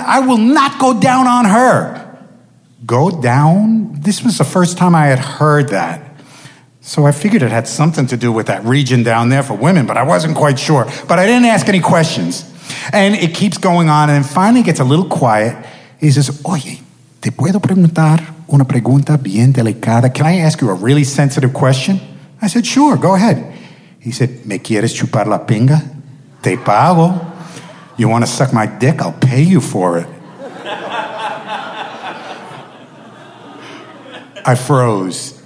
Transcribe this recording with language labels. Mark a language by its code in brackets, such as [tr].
[en] I will not go down on her. Go down? This was the first time I had heard that. So I figured it had something to do with that region down there for women, but I wasn't quite sure. But I didn't ask any questions. And it keeps going on, and then finally gets a little quiet. He says, [es] oye, te puedo preguntar una pregunta bien delicada? [en] Can I ask you a really sensitive question? I said, sure, go ahead. He said, [es] me quieres chupar la pinga? Te pago. [en] You want to suck my dick? I'll pay you for it. I froze.